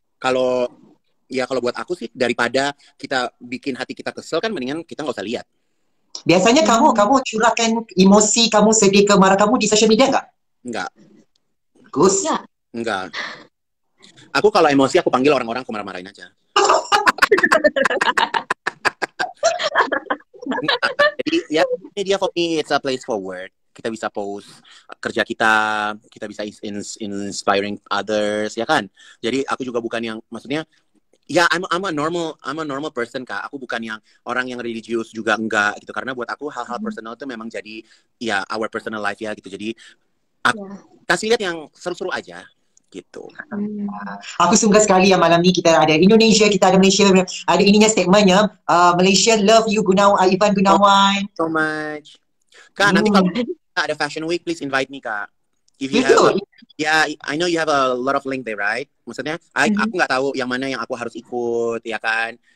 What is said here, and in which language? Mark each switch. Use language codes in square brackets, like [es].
[id] Kalau buat aku sih daripada kita bikin hati kita kesel kan, mendingan kita nggak usah lihat. Biasanya kamu curahkan emosi kamu, sedih ke marah kamu di social media nggak? Gus ya. Enggak. Aku kalau emosi aku panggil orang-orang aku marah-marahin aja. Jadi ya [en] media for me it's a place forward. [id] Kita bisa post kerja kita bisa [en] inspiring others [id] ya kan. Jadi aku juga bukan yang maksudnya ya [en] I'm a normal person [id] kak. Aku bukan yang orang yang religius juga enggak gitu, karena buat aku hal-hal personal itu memang jadi ya [en] our personal life [id] ya gitu. Jadi aku kasih lihat yang seru-seru aja. Gitu. [ms] Aku suka sekali yang malam ni kita ada Indonesia, kita ada Malaysia, ada ininya statementnya, [en] Malaysia love you [ms] Gunawan, Ivan Gunawan. [en] So much. [id] Kak, nanti kalau ada Fashion Week, [en] please invite me [id] kak. [en] If you have, I know you have a lot of link there, right? [id] Maksudnya, aku nggak tahu yang mana yang aku harus ikut, ya kan?